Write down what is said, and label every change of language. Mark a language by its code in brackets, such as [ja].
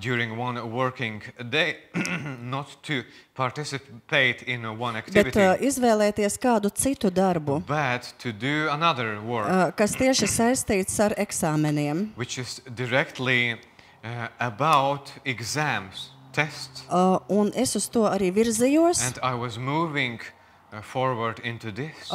[en] During one working day, not to participate in one activity. [lv] Bet izvēlēties kādu citu darbu. [en] But to do another work. [lv] Kas tieši saistīts ar eksāmeniem. [en] Which is directly about exams, tests. [lv] Un es uz to arī virzījos. [en] And I was moving forward into this.